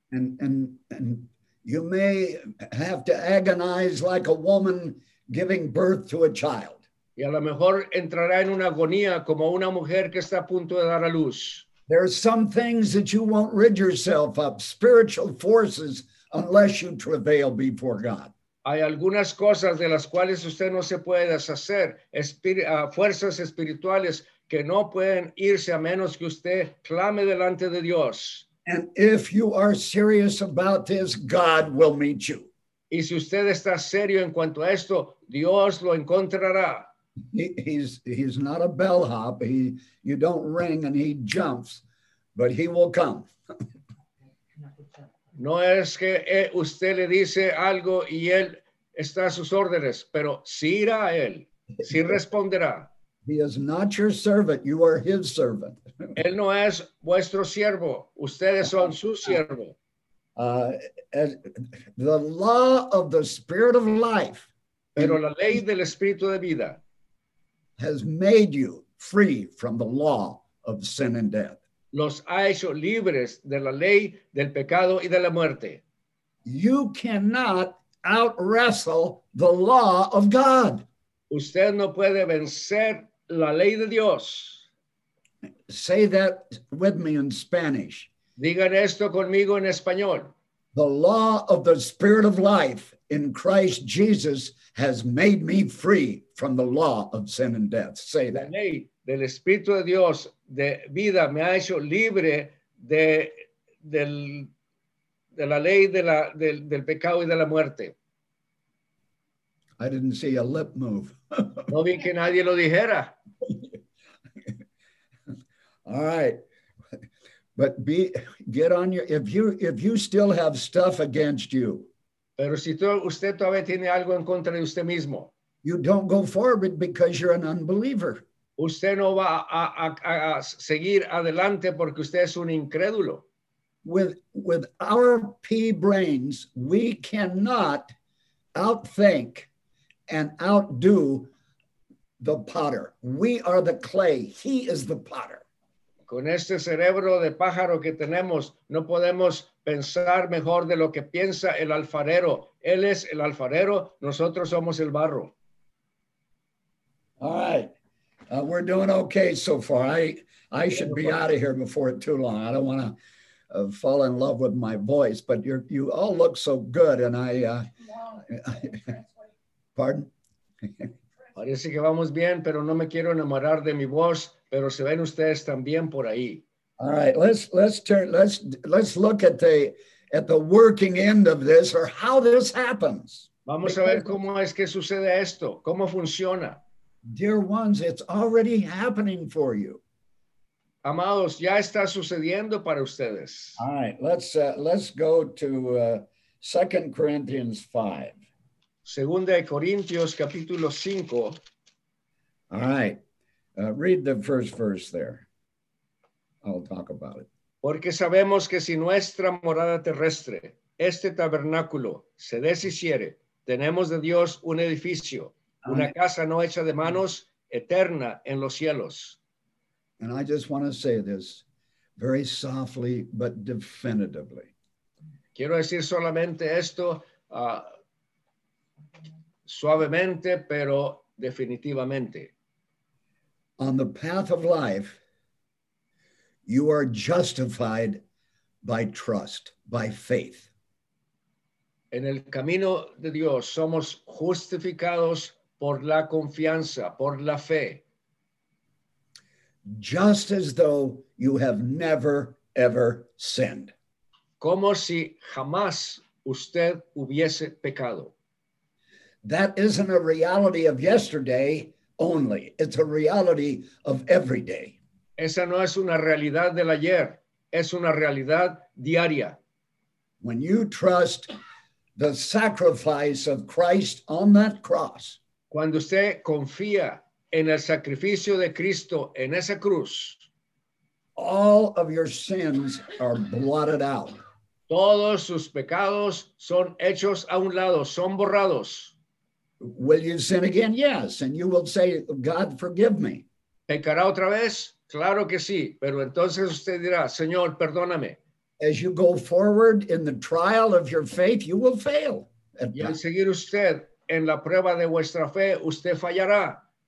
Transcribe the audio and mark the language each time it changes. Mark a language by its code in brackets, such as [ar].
[en] And you may have to agonize like a woman giving birth to a child. [es] Y a lo mejor entrará en una agonía como una mujer que está a punto de dar a luz. [en] There are some things that you won't rid yourself of, spiritual forces, unless you travail before God. [es] Hay algunas cosas de las cuales usted no se puede deshacer, fuerzas espirituales que no pueden irse a menos que usted clame delante de Dios. [en] And if you are serious about this, God will meet you. [es] Y si usted está serio en cuanto a esto, Dios lo encontrará. [en] He's not a bellhop. You don't ring and he jumps, but he will come. [es] No es que usted le dice algo y él está a sus órdenes, pero sí irá a él, sí responderá. [en] He is not your servant. You are his servant. [es] Él no es vuestro siervo. Ustedes son su siervo. [en] The law of the Spirit of life. [es] Pero la ley del Espíritu de vida. [en] Has made you free from the law of sin and death. [es] Los ha hecho libres de la ley del pecado y de la muerte. [en] You cannot out-wrestle the law of God. [es] Usted no puede vencer la ley de Dios. [en] Say that with me in Spanish. [es] Digan esto conmigo en español. [en] The law of the Spirit of life in Christ Jesus has made me free from the law of sin and death. Say that. [es] La ley del Espíritu de Dios de vida me ha hecho libre de la ley del pecado y de la muerte. [en] I didn't see a lip move. [es] No vi que nadie lo dijera. [en] All right. But if you still have stuff against you. [es] Pero si usted todavía tiene algo en contra de usted mismo. [en] You don't go forward because you're an unbeliever. [es] Usted no va a seguir adelante porque usted es un incrédulo. [en] With our pea brains, we cannot outthink and outdo the potter. We are the clay. He is the potter. [es] Con este cerebro de pájaro que tenemos, no podemos pensar mejor de lo que piensa el alfarero. Él es el alfarero, nosotros somos el barro. [en] All right, we're doing okay so far. I should be out of here before too long. I don't want to fall in love with my voice, but you all look so good, and I... pardon? [es] Parece que vamos bien, pero no me quiero enamorar de mi voz. pero se ven ustedes también por ahí. [en] All right, let's look at the working end of this, or how this happens. [es] Vamos a ver cómo es que sucede esto, cómo funciona. [en] Dear ones, it's already happening for you. [es] Amados, ya está sucediendo para ustedes. [en] All right, let's go to 2 Corinthians 5. [es] Segunda de Corintios, capítulo 5. [en] All right, read the first verse there. I'll talk about it. [es] Porque sabemos que si nuestra morada terrestre, este tabernáculo, se deshiciere, tenemos de Dios un edificio, una casa no hecha de manos, eterna en los cielos. [en] And I just want to say this very softly but definitively. [es] Quiero decir solamente esto suavemente pero definitivamente. [en] On the path of life, you are justified by trust, by faith. [es] En el camino de Dios somos justificados por la confianza, por la fe. [en] Just as though you have never, ever sinned. [es] Como si jamás usted hubiese pecado. [en] That isn't a reality of yesterday only. It's a reality of every day. [es] Esa no es una realidad del ayer. Es una realidad diaria. [en] When you trust the sacrifice of Christ on that cross. [es] Cuando usted confía en el sacrificio de Cristo en esa cruz, [en] all of your sins are blotted out. [es] Todos sus pecados son hechos a un lado, son borrados. [en] Will you sin again? Yes. And you will say, God, forgive me. [es] ¿Pecará otra vez? Claro que sí. Pero entonces usted dirá, Señor, perdóname. [en] As you go forward in the trial of your faith, you will fail. [es] Y al seguir usted en la prueba de vuestra fe, usted fallará.